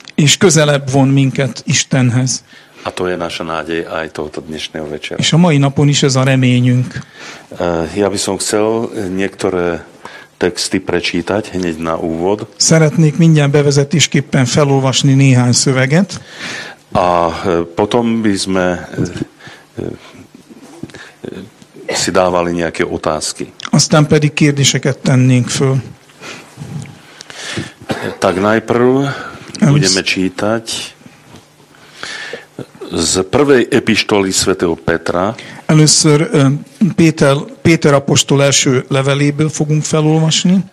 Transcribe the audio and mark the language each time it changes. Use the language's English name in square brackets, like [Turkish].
[Hungarian] És közelebb von minket Istenhez. [Slovak] A to je naša nádej aj tohoto dnešného večera. [Hungarian] És a mai napon is ez a reményünk. [Slovak] Ja by som chcel niektoré texty prečítať hneď na úvod. [Hungarian] Szeretnék mindjárt bevezetésképpen felolvasni néhány szöveget. [Slovak] A potom by sme si dávali nejaké otázky. [Hungarian] Aztán pedig kérdéseket tennénk föl. [Slovak] Tak najprv budeme čítať z prvej epištoly svätého Petra. [Hungarian] Először Péter apostol első leveléből fogunk felolvasni.